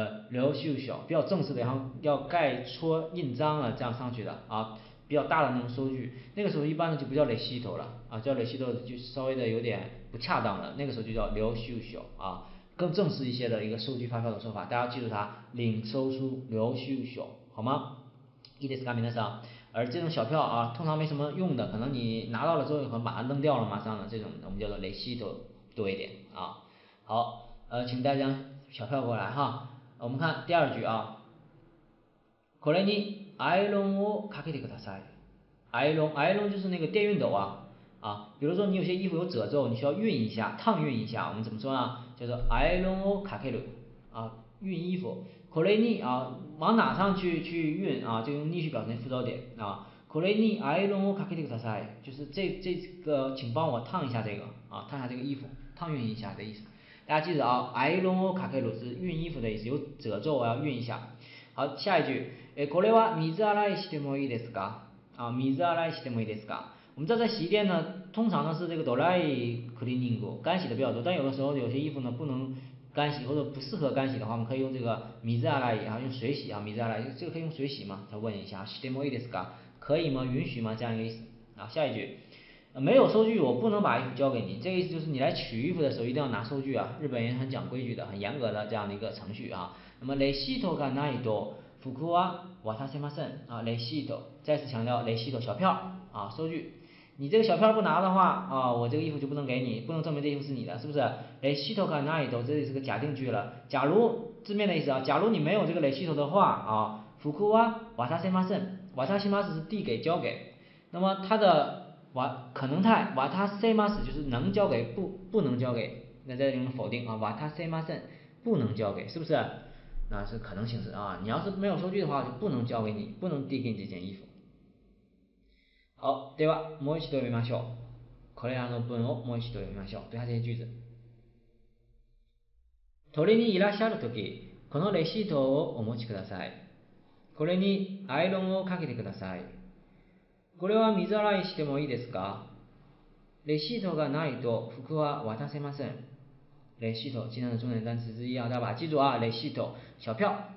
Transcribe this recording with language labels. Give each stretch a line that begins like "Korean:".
Chinese: 留学校比较正式的，然后要盖戳印章了这样上去的啊，比较大的那种收据，那个时候一般呢就不叫レシート了啊，叫レシート就稍微的有点不恰当了，那个时候就叫留学校啊，更正式一些的一个收据发票的说法，大家记住它，领收书留学校好吗？
Japanese: いいですか皆さん。
Chinese: 而这种小票啊，通常没什么用的，可能你拿到了之后，可能把它扔掉了，马上的这种，我们叫做レシート多一点啊。好，请大家小票过来哈。我们看第二句啊，
Japanese: これにアイロンをかけてください。
Chinese: アイロン，アイロン就是那个电熨斗啊啊。比如说你有些衣服有褶皱，你需要熨一下，烫熨一下，我们怎么说呢？叫做アイロンをかける啊，熨衣服。これに啊，往哪上去熨啊，就用にと表示附着点啊。
Japanese: これにアイロンをかけてください，
Chinese: 就是这个，请帮我烫一下这个啊，烫一下这个衣服，烫熨一下的意思。大家记住啊，アイロンをかける是熨衣服的意思，有褶皱我要熨一下。好，下一句，
Japanese: これは水洗いしてもいいですか？啊，水洗いしてもいいですか？
Chinese: 我们知道在洗衣店呢，通常呢是这个ドライクリーニング，干洗的比较多，但有的时候有些衣服呢不能。干洗或者不适合干洗的话，我们可以用这个水洗啊，用水洗啊，水洗这个可以用水洗吗？再问一下，
Japanese: してもいいですか？
Chinese: 可以吗？允许吗？这样一个意思。啊，下一句，没有收据，我不能把衣服交给你。这个意思就是你来取衣服的时候一定要拿收据啊。日本人很讲规矩的，很严格的这样的一个程序啊。那么
Japanese: レシートがないと、服は渡せません。
Chinese: 啊，レシート，再次强调レシート，小票啊，收据。你这个小票不拿的话啊，我这个衣服就不能给你，不能证明这衣服是你的，是不是？レシートがないと，这里是个假定句了。假如字面的意思啊，假如你没有这个レシート的话啊，
Japanese: 服は渡せません。
Chinese: 渡せます是递给、交给。那么它的可能态渡せます就是能交给、不能交给。那这里用否定啊，渡せません不能交给，是不是？那是可能形式啊，你要是没有收据的话，就不能交给你，不能递给你这件衣服。
Japanese: 好，ではもう一度読みましょう。これらの文をもう一度読みましょう。
Chinese: 对，这些句子。
Japanese: 鳥居にいらっしゃるとき、このレシートをお持ちください。これにアイロンをかけてください。これは水洗いしてもいいですか？レシートがないと服は渡せません。
Chinese: レシート、今天的重点单词之一啊，大家把记住啊，レシート、小票。